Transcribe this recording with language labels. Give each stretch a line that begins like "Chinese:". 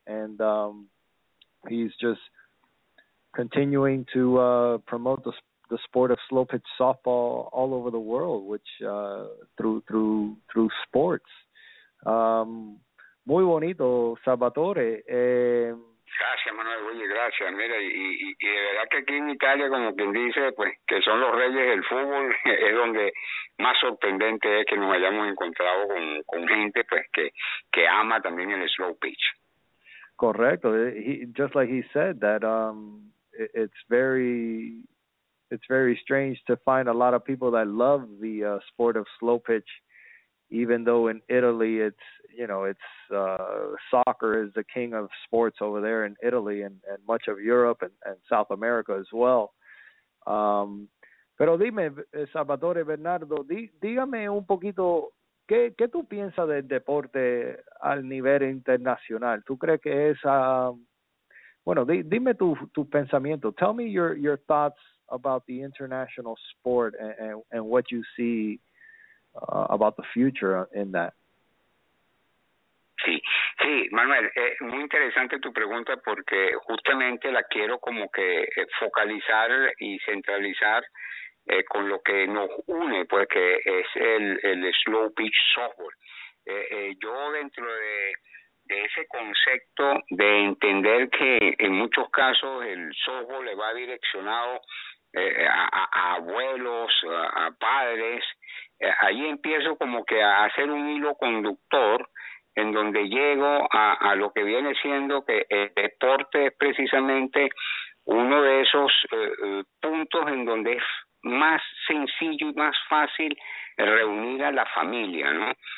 English: And he's just continuing to promote the sport of slow pitch softball all over the world, which through sports.
Spanish: Muy bonito, Salvatore. Gracias, Manuel. Oye, gracias. Mira, y de verdad que aquí en Italia, como quien dice, pues que son los reyes del fútbol, es donde más sorprendente es que nos hayamos encontrado con gente pues que ama también el slow pitch. Correcto.
English: It's very strange to find a lot of people that love the sport of slow pitch, even though in Italy it's soccer is the king of sports over there in Italy and much of Europe and South America as well.
Spanish: Pero dime, Salvatore Bernardo, dígame un poquito ¿Qué tú piensas del deporte al nivel internacional? ¿Tú crees que es, bueno, dime tu pensamiento.
English: Tell me your thoughts about the international sport and what you see about the future in that.
Spanish: Sí, Manuel, muy interesante tu pregunta porque justamente la quiero como que focalizar y centralizar con lo que nos une, pues que es el slow pitch softball. Yo dentro de ese concepto de entender que en muchos casos el softball le va direccionado a abuelos, a padres, ahí empiezo como que a hacer un hilo conductor en donde llego a lo que viene siendo que el deporte es precisamente uno de esos puntos en donde es más sencillo y más fácil reunir a la familia, ¿no?